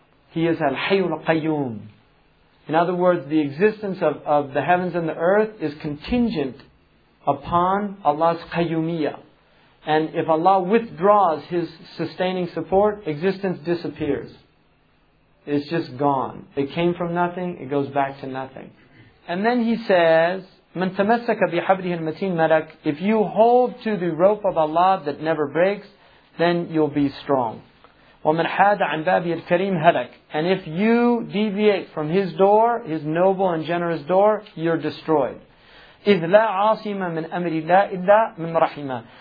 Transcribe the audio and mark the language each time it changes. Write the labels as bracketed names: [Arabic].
[English] He is al-hayyul qayyum. In other words, the existence of the heavens and the earth is contingent upon Allah's qayyumiyyah. And if Allah withdraws His sustaining support, existence disappears. It's just gone. It came from nothing, it goes back to nothing. And then he says, [Arabic] مَنْ تَمَسَّكَ بِحَبْرِهِ الْمَتِينَ مَلَكَ. [English] If you hold to the rope of Allah that never breaks, then you'll be strong. [Arabic] وَمَنْ حَادَ عَنْ بَابِهِ الْكَرِيمِ هَلَكَ. [English] And if you deviate from His door, His noble and generous door, you're destroyed. [Arabic] إِذْ لَا عَاصِمَ مِنْ أَمْرِ اللَّهِ إِلَّا مِنْ رَحِيمًا.